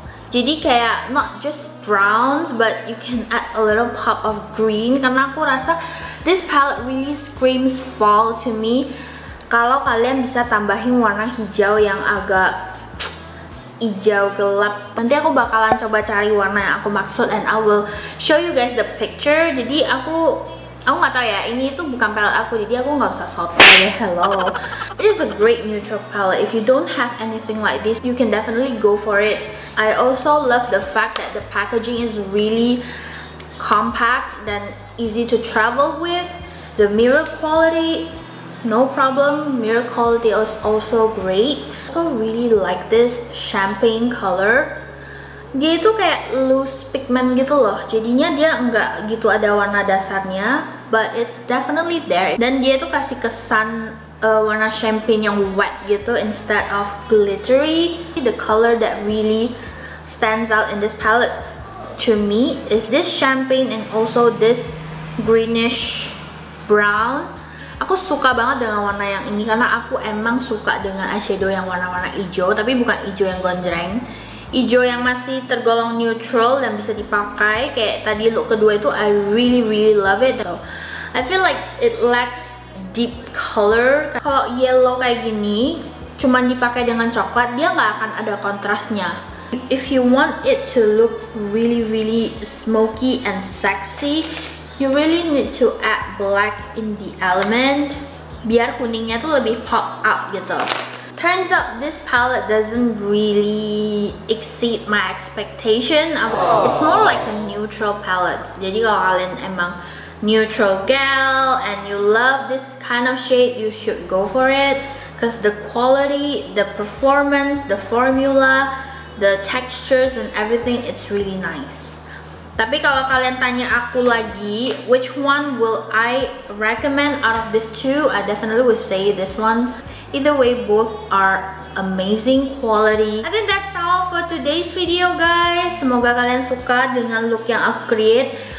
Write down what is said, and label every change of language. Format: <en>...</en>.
<en>Jadi kayak not just browns, but you can add a little pop of green.</en> <id>Karena aku rasa</id> <en>this palette really screams fall to me.</en> <id>Kalau kalian bisa tambahin warna hijau yang agak hijau gelap. Nanti aku bakalan coba cari warna yang aku maksud</id> <en>and I will show you guys the picture.</en> <id>Jadi aku gak tau ya, ini tuh bukan palette aku, jadi aku gak usah sotoy.</id> <en>Hello. It is a great neutral palette. If you don't have anything like this, you can definitely go for it. I also love the fact that the packaging is really compact and easy to travel with. The mirror quality, no problem. Mirror quality is also great. I also really like this champagne color.</en> <id>Dia itu kayak loose pigment gitu loh. Jadinya dia enggak gitu ada warna dasarnya,</id> <en>but it's definitely there.</en> <id>Dan dia itu kasih kesan warna champagne yang wet gitu instead of glittery.</id> <en>The color that really stands out in this palette to me is this champagne and also this greenish brown.</en> <id>Aku suka banget dengan warna yang ini karena aku emang suka dengan eyeshadow yang warna-warna hijau, tapi bukan hijau yang gonjreng. Hijau yang masih tergolong neutral dan bisa dipakai. Kayak tadi look kedua itu</id> <en>I really really love it. So, I feel like it lacks deep color.</en> <id>Kalau yellow kayak gini cuman dipakai dengan coklat, dia nggak akan ada kontrasnya.</id> <en>If you want it to look really really smoky and sexy, you really need to add black in the element</en> <id>biar kuningnya tuh lebih pop up gitu.</id> <en>Turns out this palette doesn't really exceed my expectation. It's more like a neutral palette.</en> <id>Jadi kalau kalian emang neutral gal</id> <en>and you love this kind of shade, you should go for it. Because the quality, the performance, the formula, the textures and everything, it's really nice.</en> <id>Tapi kalau kalian tanya aku lagi,</id> <en>which one will I recommend out of these two, I definitely would say this one. Either way, both are amazing quality. I think that's all for today's video, guys.</en> <id>Semoga kalian suka dengan look yang aku create.</id>